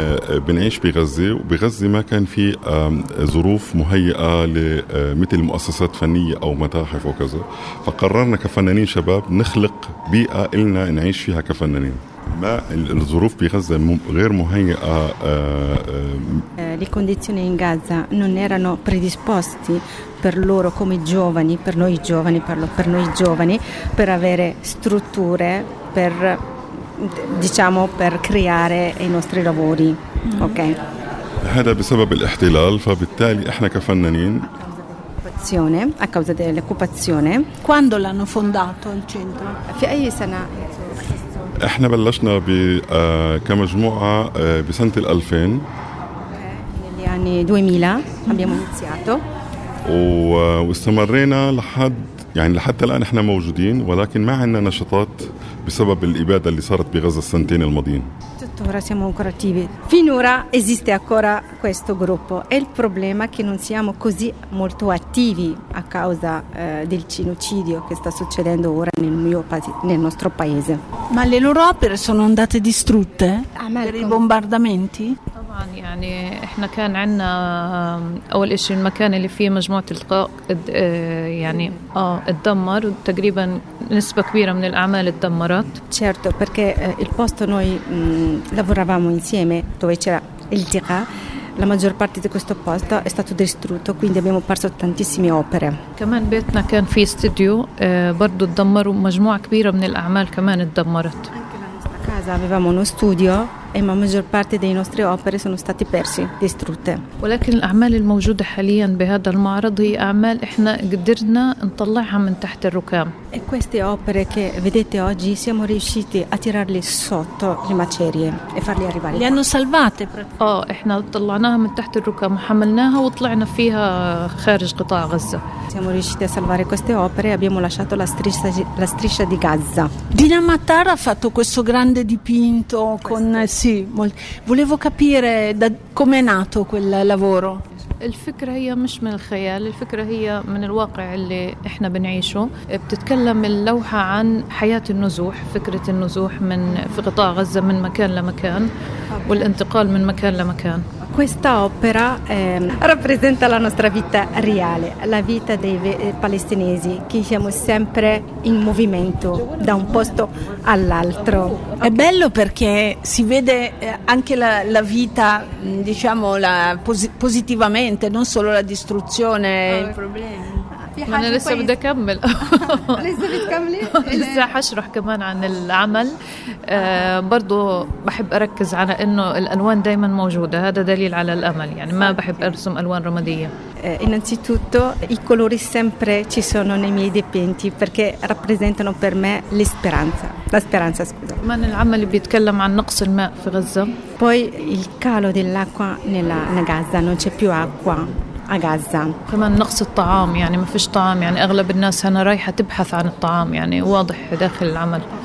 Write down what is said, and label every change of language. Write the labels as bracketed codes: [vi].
[ar] بنعيش بغزة وبغزة ما كان في ظروف مهيئة مثل مؤسسات فنية أو متاحف وكذا فقررنا كفنانين شباب نخلق بيئة إلنا نعيش فيها كفنانين ما الظروف بغزة غير مهيئة [it] Le condizioni in Gaza non erano predisposti per loro come giovani, per noi giovani, parlo per noi giovani, per avere strutture per diciamo per creare i nostri lavori. Ok. [ar] هذا بسبب الاحتلال فبالتالي احنا كفنانين [it] a causa dell'occupazione. Quando l'hanno fondato il centro? [ar] في اي سنه؟ احنا بلشنا ب كمجموعه بسنه 2000. [it] Negli anni 2000 abbiamo iniziato. [ar] واستمرينا لحد يعني لحتى الآن إحنا موجودين، ولكن ما عندنا نشاطات بسبب الإبادة اللي صارت بغزة السنتين الماضيين. [it] Ora siamo ancora attivi. Finora esiste ancora questo gruppo. E il problema è che non siamo così molto attivi a causa del genocidio che sta succedendo ora nel nostro paese. Ma le loro opere sono andate distrutte per i bombardamenti? [ar] يعني احنا كان عندنا اول شيء المكان اللي فيه مجموعه القاء يعني اتدمر تقريبا نسبه كبيره من الاعمال اتدمرت. [it] Certo, perché il posto noi lavoravamo insieme dove c'era il TK, la maggior parte di questo posto è stato distrutto, quindi abbiamo perso tantissime opere. [ar] كمان بيتنا كان في استوديو برضو اتدمر ومجموعه كبيره من الاعمال كمان اتدمرت. [it] Casa avevamo uno studio e la maggior parte delle nostre opere sono state perse, distrutte. [ar] ولكن الأعمال الموجودة حاليا بهذا المعرض هي أعمال إحنا قدرنا نطلعها من تحت الركام. [it] E queste opere che vedete oggi siamo riusciti a tirarle sotto le macerie e farle arrivare. Le hanno salvate. [ar] إحنا طلعناها من تحت الركام وحملناها وطلعنا فيها خارج قطاع غزة. [it] Siamo riusciti a salvare queste opere e abbiamo lasciato la striscia di Gaza. Dina Mattar ha fatto questo grande dipinto con sì, volevo capire da come è nato quel lavoro. [ar] الفكرة هي مش من الخيال، الفكرة هي من الواقع اللي احنا بنعيشه. بتتكلم اللوحة عن حياة النزوح، فكرة النزوح من في قطاع غزة من مكان لمكان والانتقال من مكان لمكان. [it] Questa opera rappresenta la nostra vita reale, la vita dei palestinesi, che siamo sempre in movimento da un posto all'altro. È bello perché si vede anche la vita, diciamo, positivamente, non solo la distruzione. Il problema. [ar] ما أنا لسه بدي أكمل لسه بتكملي؟ لسه حشرح كمان عن العمل. برضو بحب أركز على أنه الألوان دايما موجودة، هذا دليل على الأمل، يعني ما بحب أرسم ألوان رمادية. [it] Innanzitutto i colori sempre ci sono nei miei dipinti perché rappresentano per me l'speranza. La speranza, scusa. Ma nel lavoro [ar] بيتكلم عن نقص الماء في غزة. [it] Poi il calo dell'acqua nella Gaza, non c'è più acqua a Gaza. [ar] كمان نقص الطعام، يعني ما فيش طعام، يعني اغلب الناس هنا رايحه تبحث عن الطعام، يعني واضح داخل العمل.